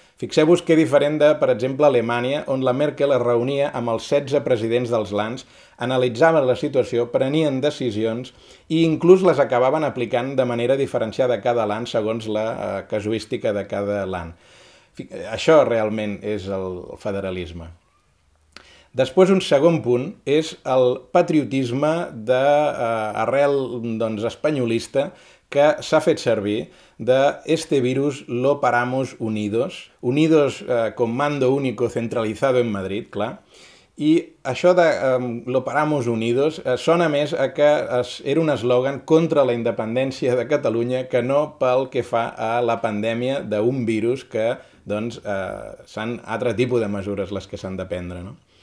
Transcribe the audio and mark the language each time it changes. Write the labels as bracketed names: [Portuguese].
[Catalan] Fixeu-vos que diferent de, per exemple, Alemanya, on la Merkel es reunia amb els 16 presidents dels lands, analitzaven la situació, prenien decisions i inclús les acabaven aplicant de manera diferenciada cada land segons la casuística de cada land. Això realment és el federalisme. Després, un segon punt és el patriotisme d'arrel doncs, espanyolista que s'ha fet servir de [Spanish] este virus lo paramos unidos, unidos con mando único centralizado en Madrid, [Catalan] clar. I això de [Spanish] lo paramos unidos [Catalan] sona més a que era un eslògan contra la independència de Catalunya que no pel que fa a la pandèmia d'un virus que doncs, són altre tipus de mesures les que s'han de prendre, no?